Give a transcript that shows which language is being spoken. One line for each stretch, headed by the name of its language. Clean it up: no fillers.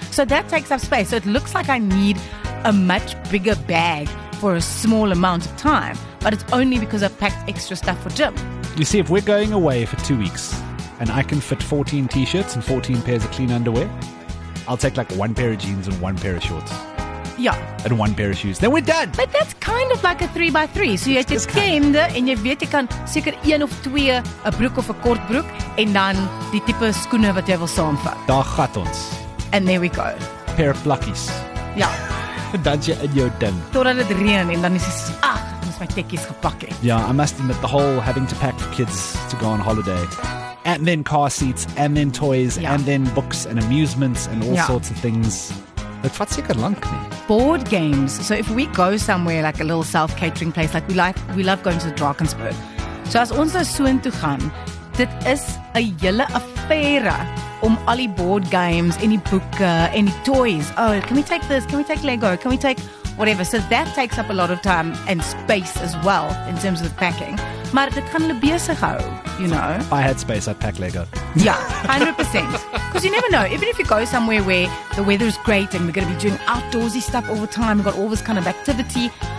English: So that takes up space. So it looks like I need a much bigger bag for a small amount of time. But it's only because I've packed extra stuff for gym. You see, if we're going away for 2 weeks and I can fit 14 t-shirts and 14 pairs of clean underwear, I'll take like one pair of jeans and one pair of shorts. Yeah. And one pair of shoes. Then we're done. But that's kind of like a 3x3. So you just came there and you
Afrikaans: weet jy kan seker een of twee 'n broek of 'n kort broek en dan die tipe skoene wat jy wil saamvat. Daar gat ons.
English: And there we go. Pair of pluckies. Yeah.
Afrikaans: Dan jy in jou ding. Totdat dit reën en dan is dit mos my tekkies gepak het.
English: Yeah, I must admit the whole having to pack for kids to go on holiday. And then car seats, and then toys, yeah, and then books and amusements and all sorts of things. Like, what's your lunk, man? Board games. So if we go somewhere, like a little self-catering place, like we love going to the Drakensberg.
Afrikaans: So as ons daar so intoe gaan, dit is 'n hele affære om al die board games en die boeke en die toys.
English: Oh, can we take this? Can we take Lego? Can we take whatever? So that takes up a lot of time and space as well in terms of packing.
Afrikaans: Maar dit kan hulle besig hou,
English: you know. If I had space, I'd pack Lego. Yeah, 100%. Because you never know. Even if you go somewhere where the weather is great and we're going to be doing outdoorsy stuff all the time, we've got all this kind of activity.